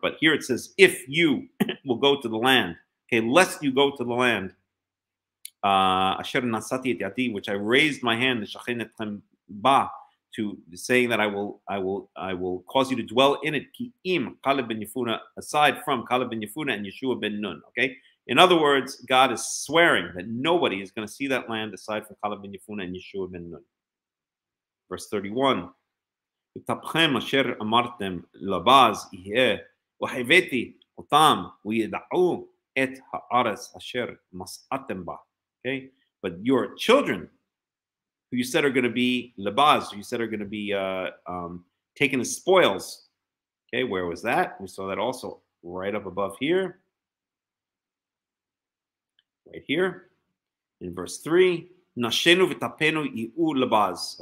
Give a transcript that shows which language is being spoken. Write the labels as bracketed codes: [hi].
[en] But here it says, if you will go to the land, okay, lest you go to the land, [he] asher nasati et yati, [en] which I raised my hand, [he] l'shachin etchem ba, [en] to saying that I will cause you to dwell in it, ki im Kaleb ben Yefuna, aside from Kaleb ben Yefuna and Yeshua ben Nun, okay? In other words, God is swearing that nobody is going to see that land aside from Kaleb ben Yefuna and Yeshua ben Nun. Verse 31, [he] ותפכם אשר אמרתם לבז יהיה, והבאתי אותם וידעו את הארץ אשר מסעתם בה. [en] Okay, but your children, who you said are going to be לבז, who you said are going to be taken as spoils. Okay, where was that? We saw that also right up above here. Right here in verse 3. [he] נשינו ותפנו יהיו לבז.